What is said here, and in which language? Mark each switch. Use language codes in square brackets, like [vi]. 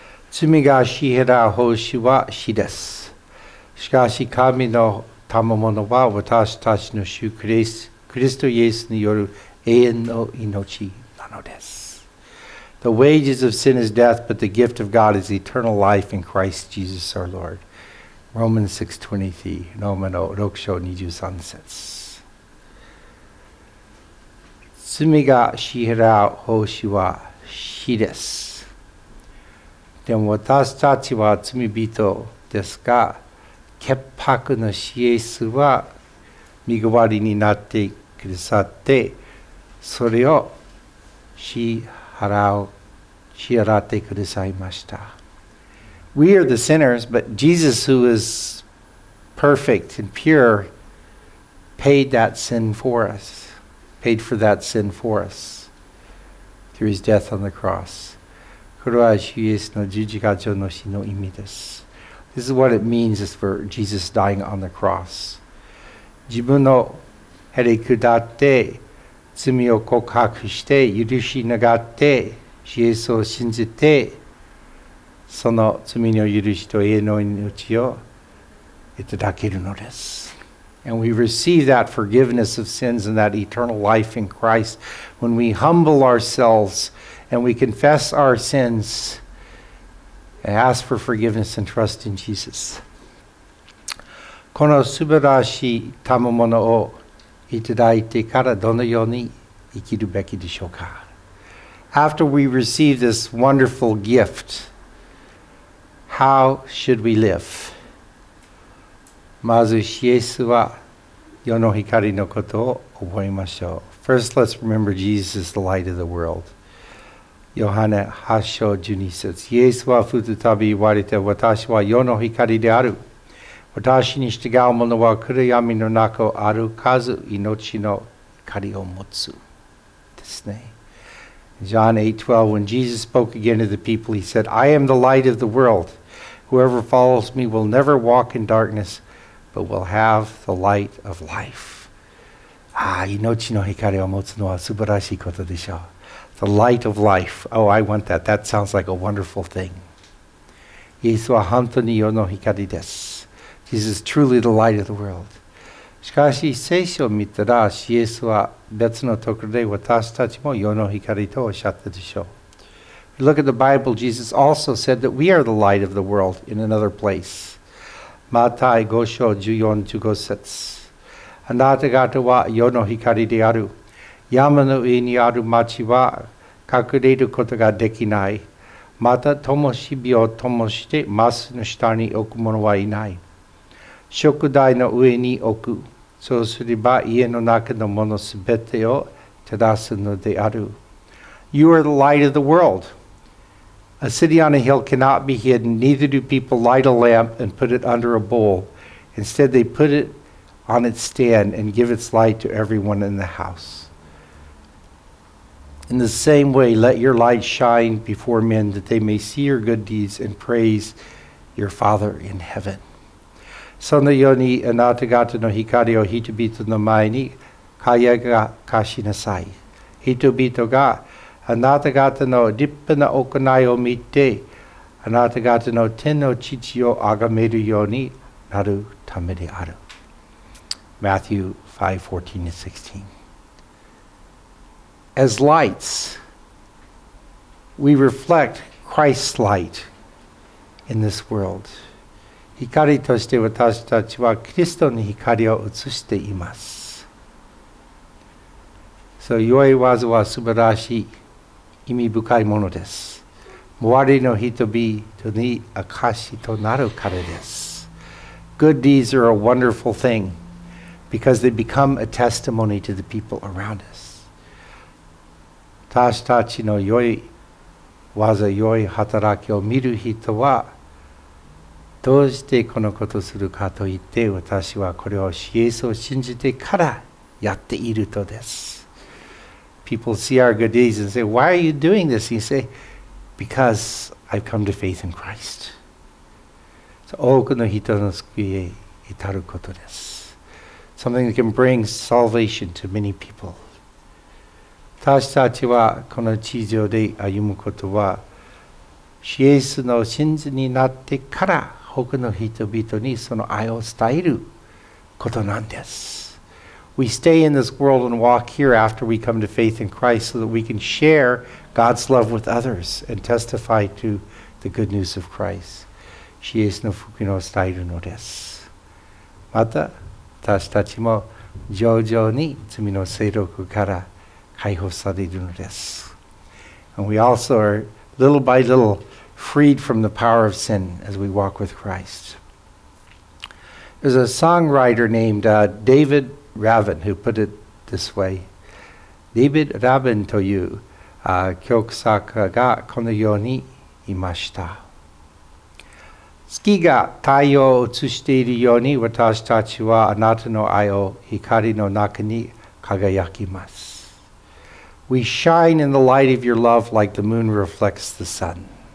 [ja] 罪が死へら奉仕は死です。しかし神の賜物は私たちの主クリストイエスによる永遠の命なのです。 [en] The wages of sin is death, but the gift of God is eternal life in Christ Jesus our Lord. Romans 6:23, [ja] ローマの6章23節。罪が支払う報酬は死です。でも私たちは罪人ですが、潔白の主イエスは身代わりになってくださって、それを支払ってくださいました。 [en] We are the sinners, but Jesus, who is perfect and pure, paid for that sin for us through his death on the cross. [ja] これは主イエスの十字架上の死の意味です。 [en] This is what it means for Jesus dying on the cross. [ja] 自分のへり下って罪を告白して許し願って主イエスを信じて、その罪の許しと永遠の命をいただけるのです。 [en] And we receive that forgiveness of sins and that eternal life in Christ when we humble ourselves and we confess our sins. And ask for forgiveness and trust in Jesus. [ja] この素晴らしい賜物をいただいてからどのように生きるべきでしょうか? [en] After we receive this wonderful gift, how should we live? [ja] まず、イエスは世の光のことを覚えましょう。 [en] First, let's remember Jesus, the light of the world. [ja] ヨハネ8章12節、イエスは再び言われて、私は世の光である。私に従う者は暗闇の中を歩かず命の光を持つですね。 [en] John 8:12, when Jesus spoke again to the people, he said, I am the light of the world. Whoever follows me will never walk in darkness, but will have the light of life. [ja] 命の光を持つのは素晴らしいことでしょう。 [en] The light of life. Oh, I want that. That sounds like a wonderful thing. [ja] イエスは本当に世の光です。 [en] Jesus is truly the light of the world. [ja] しかし、聖書を見たら、イエスは別のところで私たちも世の光とおっしゃったでしょう。 [en] If you look at the Bible, Jesus also said that we are the light of the world in another place. [ja] マタイ5章14、15節。あなた方は世の光である。山の上にある町は隠れることができない。また灯火を灯してマスの下に置く者はいない。食台の上に置く。そうすれば家の中のものすべてを照らすのである。 [en] You are the light of the world. A city on a hill cannot be hidden, neither do people light a lamp and put it under a bowl. Instead they put it on its stand and give its light to everyone in the house. In the same way, let your light shine before men that they may see your good deeds and praise your Father in heaven. [ja] そのようにあなた方の光を人々の前に輝かしなさい。人々があなた方の立派な行いを見て、あなた方の天の父を崇めるようになるためである。 [en] Matthew 5:14-16. As lights, we reflect Christ's light in this world. [ja] 光として私たちはキリストの光を映しています。 So, 良い技は素晴らしい、意味深いものです。周りの人々に証しとなるからです。 [en] Good deeds are a wonderful thing because they become a testimony to the people around us. [ja] 私たちの良い技、良い働きを見る人はどうしてこのことをするかといって、私はこれをイエスを信じてからやっているとです。 [en] People see our good deeds and say, why are you doing this? And you say, because I've come to faith in Christ. [ja] So, 多くの人の救いへ至ることです。 [en] Something that can bring salvation to many people. [ja] 私たちはこの地上で歩むことは、イエスの信者になってから、他の人々にその愛を伝えることなんです。 [en] We stay in this world and walk here after we come to faith in Christ so that we can share God's love with others and testify to the good news of Christ. [ja] イエスの福音を伝えるのです。また、私たちも徐々に罪の勢力から解放されるのです。 [en] And we also are little by little freed from the power of sin as we walk with Christ. There's a songwriter named David Raven who put it this way. [ja] David Raven という曲作家がこのようにいました。月が太陽を映しているように私たちはあなたの愛を光の中に輝きます。 [en] We shine in the light of your love like the moon reflects the sun.